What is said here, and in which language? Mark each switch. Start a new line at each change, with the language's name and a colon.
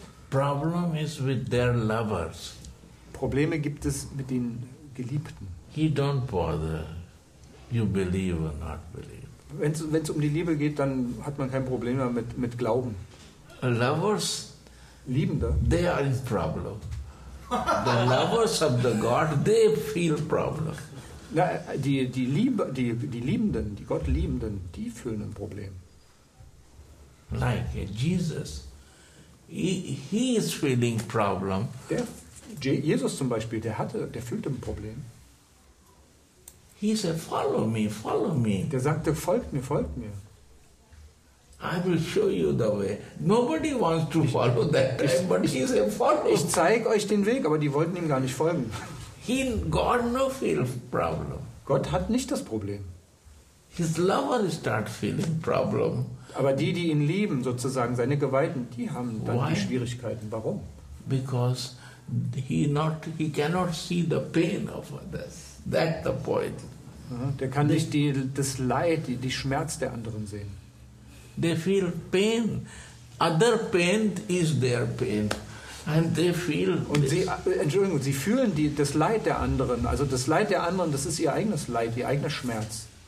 English: Problem is with their lovers.
German: Probleme gibt es mit den Geliebten.
English: He don't bother. You believe or not believe.
German: Wenn es um die Liebe geht, dann hat man kein Problem mehr mit Glauben.
English: Lovers,
German: Liebende,
English: they are in problem. The lovers of the God, they feel problem.
German: Na, die Liebenden, die Gottliebenden, die fühlen ein Problem.
English: Like Jesus, he is feeling problem.
German: Jesus zum Beispiel, der fühlte ein Problem.
English: He said, follow me.
German: Der sagte, folgt mir.
English: I will show you the way. Nobody wants to follow that track, but he said, follow.
German: Ich zeige euch den Weg, aber die wollten ihm gar nicht folgen.
English: God no feel problem.
German: Gott hat nicht das Problem.
English: His lover start feeling problem.
German: Aber die, die ihn lieben, sozusagen seine Geweihten, die haben dann die Schwierigkeiten. Warum?
English: Because he cannot see the pain of others. That's the point.
German: Der kann nicht das Leid, die Schmerz der anderen sehen.
English: They feel pain. Other pain is their pain. And they feel
German: und sie, Entschuldigung, sie fühlen das Leid der anderen. Also das Leid der anderen, das ist ihr eigenes Leid, ihr eigener Schmerz.